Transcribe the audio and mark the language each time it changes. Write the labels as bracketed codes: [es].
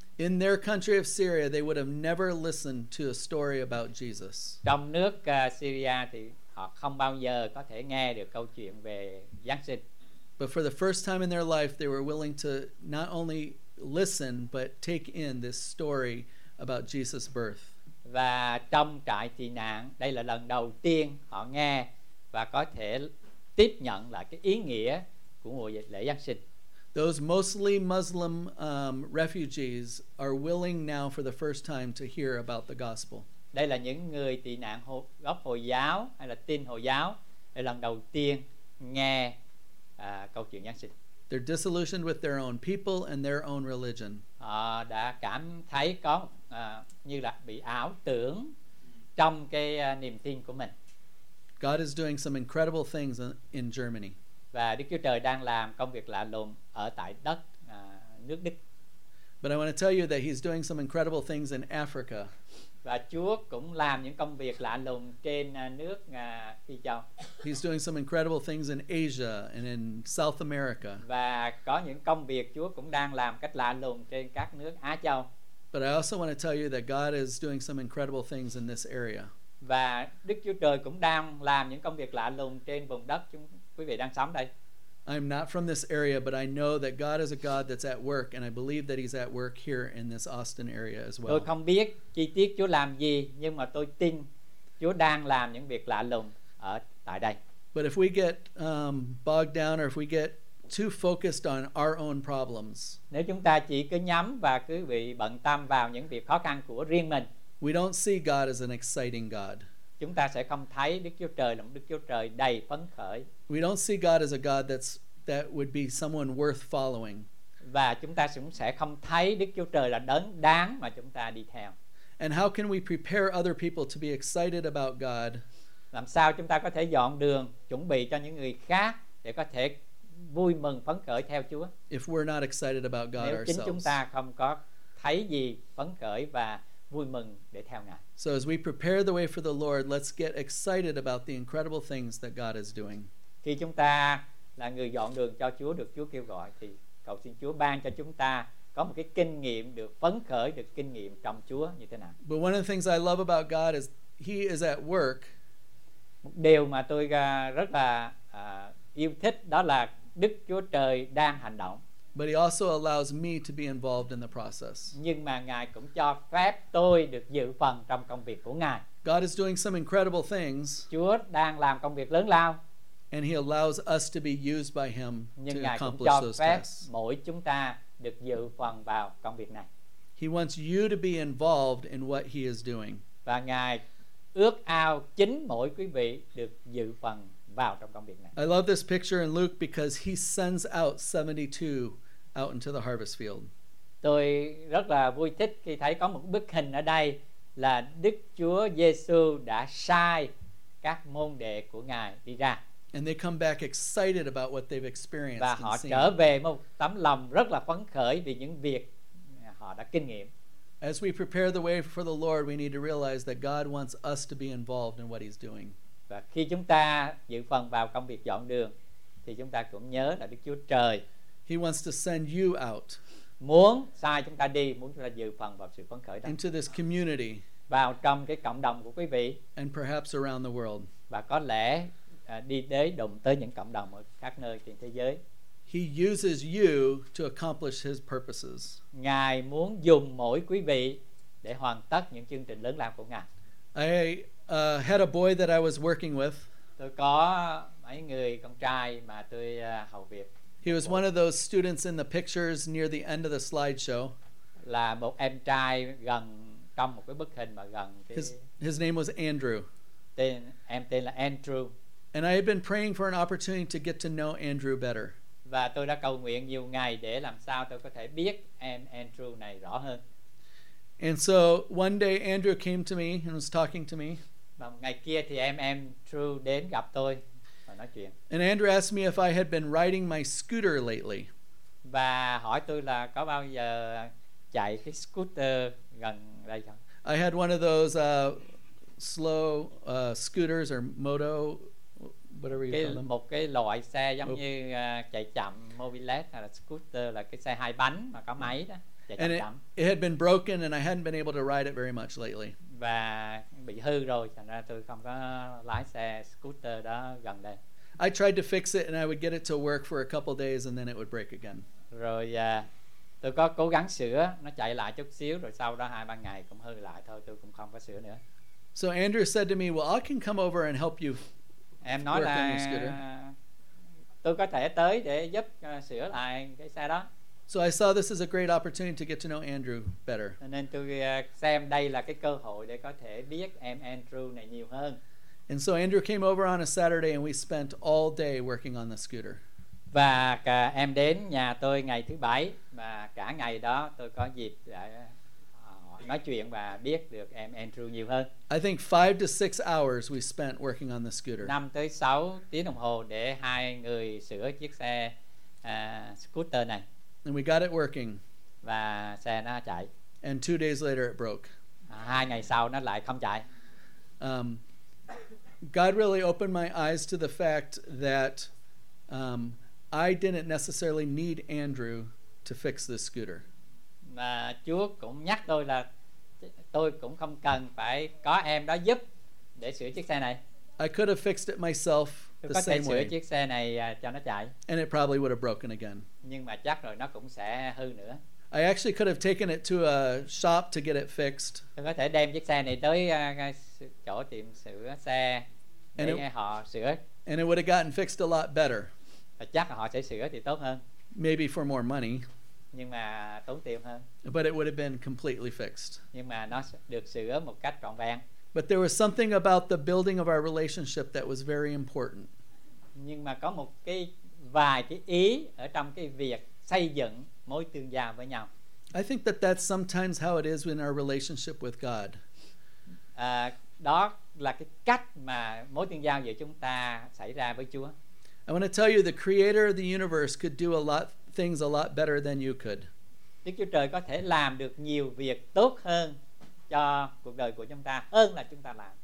[en] In their country of Syria, they would have never listened to a story about Jesus. [vi] Trong nước Syria thì họ không bao giờ có thể nghe được câu chuyện về Giáng sinh. [en] But for the first time in their life, they were willing to not only listen but take in this story about Jesus' birth. [vi] Và trong trại tị nạn, đây là lần đầu tiên họ nghe và có thể tiếp nhận lại cái ý nghĩa của mùa lễ Giáng sinh. [en] Those mostly Muslim refugees are willing now for the first time to hear about the gospel. [vi] Đây là những người tị nạn gốc Hồi giáo hay là tin Hồi giáo để lần đầu tiên nghe câu chuyện Giáng sinh. [en] They're disillusioned with their own people and their own religion. [vi] Họ đã cảm thấy có như là bị ảo tưởng trong cái niềm tin của mình. [en] God is doing some incredible things in Germany. [vi] Và Đức Chúa Trời đang làm công việc lạ lùng ở tại đất nước Đức. [en] But I want to tell you that He's doing some incredible things in Africa. [vi] Và Chúa cũng làm những công việc lạ lùng trên nước Phi Châu. [en] He's doing some incredible things in Asia and in South America. [vi] Và có những công việc Chúa cũng đang làm cách lạ lùng trên các nước Á Châu. [en] But I also want to tell you that God is doing some incredible things in this area. [vi] Và Đức Chúa Trời cũng đang làm những công việc lạ lùng trên vùng đất chúng quý vị đang sống đây. [en] I'm not from this area, but I know that God is a God that's at work, and I believe that He's at work here in this Austin area as well. [vi] Tôi không biết chi tiết Chúa làm gì, nhưng mà tôi tin Chúa đang làm những việc lạ lùng ở tại đây. [en] But if we get bogged down, or if we get too focused on our own problems, [vi] nếu chúng ta chỉ cứ nhắm và cứ bị bận tâm vào những việc khó khăn của riêng mình, [en] we don't see God as an exciting God. [vi] Chúng ta sẽ không thấy Đức Chúa Trời là một Đức Chúa Trời đầy phấn khởi. [en] We don't see God as a God that would be someone worth following. [vi] Và chúng ta cũng sẽ không thấy Đức Chúa Trời là đấng đáng mà chúng ta đi theo. [en] And how can we prepare other people to be excited about God? [vi] Làm sao chúng ta có thể dọn đường, chuẩn bị cho những người khác để có thể vui mừng phấn khởi theo Chúa? [en] If we're not excited about God ourselves. [vi] Nếu chính chúng ta không có thấy gì phấn khởi và vui mừng để theo Ngài. [en] So as we prepare the way for the Lord, let's get excited about the incredible things that God is doing. [vi] Khi chúng ta là người dọn đường cho Chúa, được Chúa kêu gọi, thì cầu xin Chúa ban cho chúng ta có một cái kinh nghiệm được phấn khởi, được kinh nghiệm trong Chúa như thế nào. [en] But one of the things I love about God is He is at work. [vi] Một điều mà tôi rất là yêu thích đó là Đức Chúa Trời đang hành động. [en] But He also allows me to be involved in the process. [vi] Nhưng mà Ngài cũng cho phép tôi được dự phần trong công việc của Ngài. [en] God is doing some incredible things. [vi] Chúa đang làm công việc lớn lao. [en] And He allows us to be used by Him [vi] Nhưng [en] to [vi] Ngài [en] accomplish those tasks. [vi] Nhưng Ngài cũng cho phép mỗi chúng ta được dự phần vào công việc này. [en] He wants you to be involved in what He is doing. [vi] Và Ngài ước ao chính mỗi quý vị được dự phần vào trong công việc này. [en] I love this picture in Luke because He sends out 72 out into the harvest field. [vi] Tôi rất là vui thích khi thấy có một bức hình ở đây là Đức Chúa Giêsu đã sai các môn đệ của Ngài đi ra. [en] And they come back excited about what they've experienced. [vi] Và họ trở về một tấm lòng rất là phấn khởi vì những việc họ đã kinh nghiệm. [en] As we prepare the way for the Lord, we need to realize that God wants us to be involved in what He's doing. [vi] Và khi chúng ta dự phần vào công việc dọn đường thì chúng ta cũng nhớ là Đức Chúa Trời [en] He wants to send you out [vi] muốn sai chúng ta đi, muốn chúng ta dự phần vào sự phấn khởi đó, [en] into this community, [vi] vào trong cái cộng đồng của quý vị, [en] and perhaps around the world, [vi] và có lẽ đi đến đồng tới những cộng đồng ở các nơi trên thế giới. [en] He uses you to accomplish His purposes. [vi] Ngài muốn dùng mỗi quý vị để hoàn tất những chương trình lớn lao của Ngài. [en] I had a boy that I was working with. [vi] Tôi có mấy người con trai mà tôi hầu việc. [en] He was one of those students in the pictures near the end of the slideshow. [vi] Là một em trai gần trong một cái bức hình mà gần cái... [en] His name was Andrew. [vi] Em tên là Andrew. [en] And I had been praying for an opportunity to get to know Andrew better. [vi] Và tôi đã cầu nguyện nhiều ngày để làm sao tôi có thể biết em Andrew này rõ hơn. [en] And so one day Andrew came to me and was talking to me. [vi] Và ngày kia thì em True đến gặp tôi và nói chuyện. [en] And Andrew asked me if I had been riding my scooter lately. [vi] Và hỏi tôi là có bao giờ chạy cái scooter gần đây không? [en] I had one of those slow scooters or moto, whatever you [vi] cái, [en] call them. [vi] Một cái loại xe giống như chạy chậm, mobilet hay là scooter, là cái xe hai bánh mà có máy đó. [en] And it had been broken and I hadn't been able to ride it very much lately. [vi] Và bị hư rồi, thành ra tôi không có lái xe scooter đó gần đây. [en] I tried to fix it and I would get it to work for a couple days and then it would break again. [vi] Rồi tôi có cố gắng sửa, nó chạy lại chút xíu rồi sau đó 2-3 ngày cũng hư lại thôi, tôi cũng không có sửa nữa. [en] So Andrew said to me, "Well, I can come over and help you." [vi] Em nói là tôi có thể tới để giúp sửa lại cái xe đó. [en] So I saw this as a great opportunity to get to know Andrew better. [vi] Nên tôi xem đây là cái cơ hội để có thể biết em Andrew này nhiều hơn. [en] And so Andrew came over on a Saturday and we spent all day working on the scooter. [vi] Và em đến nhà tôi ngày thứ bảy và cả ngày đó tôi có dịp để nói chuyện và biết được em Andrew nhiều hơn. [en] I think 5 to 6 hours we spent working on the scooter. [vi] 5 tới 6 tiếng đồng hồ để hai người sửa chiếc xe scooter này. [en] And we got it working. [vi] Và xe nó chạy. [en] And 2 days later it broke. [vi] À, 2 ngày sau nó lại không chạy. [en] God really opened my eyes to the fact that I didn't necessarily need Andrew to fix this scooter. [vi] mà Chúa cũng nhắc tôi là tôi cũng không cần phải có em đó giúp để sửa chiếc xe này. [en] I could have fixed it myself the same way. [vi] Tôi có thể sửa chiếc xe này cho nó chạy. [en] And it probably would have broken again. [vi] Nhưng mà chắc rồi nó cũng sẽ hư nữa. [en] I actually could have taken it to a shop to get it fixed. [vi] Tôi có thể đem chiếc xe này tới chỗ tiệm sửa xe để họ sửa. [en] And it would have gotten fixed a lot better. [vi] Chắc họ sẽ sửa thì tốt hơn. [en] Maybe for more money. [vi] Nhưng mà tốn tiền hơn. [en] But it would have been completely fixed. [vi] Nhưng mà nó được sửa một cách trọn vẹn. [en] But there was something about the building of our relationship that was very important. [vi] Nhưng mà có một cái vài cái ý ở trong cái việc xây dựng mối tương giao với nhau. [en] I think that that's sometimes how it is in our relationship with God. [vi] Đó là cái cách mà mối tương giao giữa chúng ta xảy ra với Chúa. [en] I want to tell you, the creator of the universe could do things a lot better than you could. [vi] Đức Chúa Trời có thể làm được nhiều việc tốt hơn cho cuộc đời của chúng ta hơn là chúng ta làm.